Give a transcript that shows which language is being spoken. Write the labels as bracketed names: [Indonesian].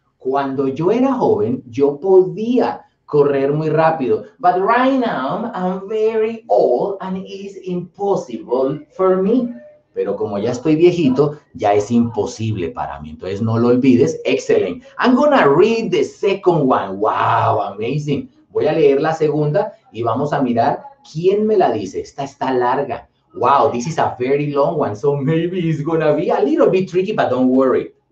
[Spanish] Cuando yo era joven, yo podía correr muy rápido. [English] But right now, I'm very old and it's impossible for me. [Spanish] Pero como ya estoy viejito, ya es imposible para mí. Entonces, no lo olvides. Excelente. [English] I'm going to read the second one. Wow, amazing. [Spanish] Voy a leer la segunda y vamos a mirar quién me la dice. Esta está larga. [English] Wow, this is a very long one. So maybe it's going to be a little bit tricky, but don't worry.